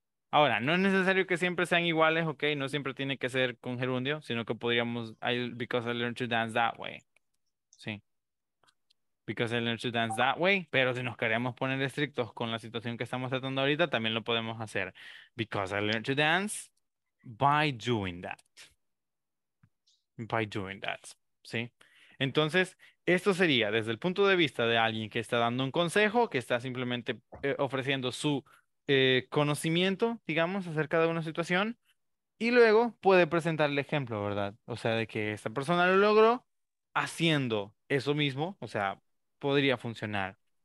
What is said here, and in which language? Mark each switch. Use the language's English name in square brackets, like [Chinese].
[Spanish] Ahora, no es necesario que siempre sean iguales, ¿ok? No siempre tiene que ser con gerundio, sino que podríamos, [English] because I learned to dance that way. [Spanish] Sí. [English] Because I learned to dance that way. [Spanish] Pero si nos queremos poner estrictos con la situación que estamos tratando ahorita, también lo podemos hacer. [English] Because I learned to dance by doing that. By doing that. Sí. [Spanish] Entonces, esto sería desde el punto de vista de alguien que está dando un consejo, que está simplemente ofreciendo su conocimiento, digamos, acerca de una situación, y luego puede presentar el ejemplo, ¿verdad? O sea, de que esta persona lo logró haciendo eso mismo, o sea, podría funcionar.